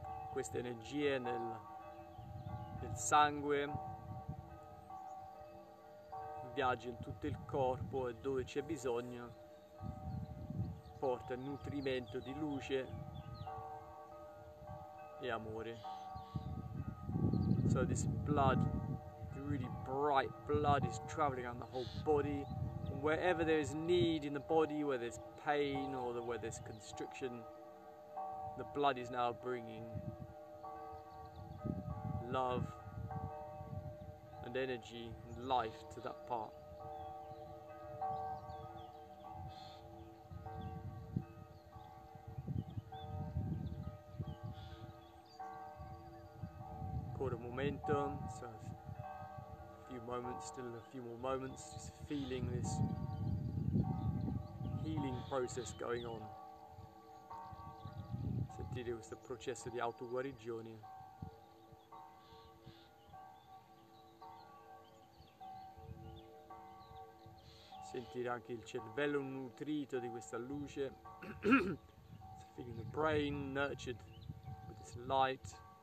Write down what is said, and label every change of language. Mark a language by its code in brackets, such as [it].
[it] Questa energia nel sangue viaggia in tutto il corpo e dove c'è bisogno porta nutrimento di luce e amore. [en] So this blood, the really bright blood is traveling around the whole body and wherever there is need in the body, where there's pain or where there's constriction, the blood is now bringing love and energy and life to that part. So a few moments, still a few more moments, just feeling this healing process going on. [it] Sentire questo processo di autoguarigione. Si sentire anche il cervello nutrito di questa luce. [en] So feeling the brain nurtured with this light.